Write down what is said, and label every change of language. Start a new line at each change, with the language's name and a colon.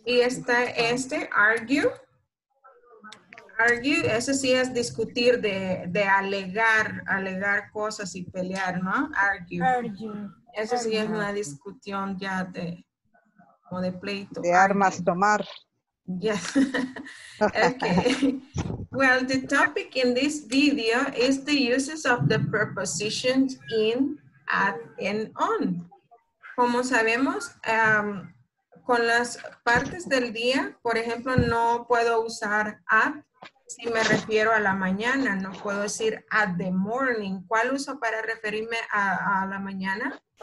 Spanish: Y está este, argue, eso sí es discutir de alegar cosas y pelear, ¿no? Argue. Eso sí es una discusión ya de, como de pleito. De armas tomar.
English: Yes. Okay. Well, the topic in this video is the uses of the prepositions in, at, and on.
Spanish: Como sabemos, con las partes del día, por ejemplo, no puedo usar at si me refiero a la mañana. No puedo decir
English: at the morning.
Spanish: ¿Cuál uso para referirme a la mañana?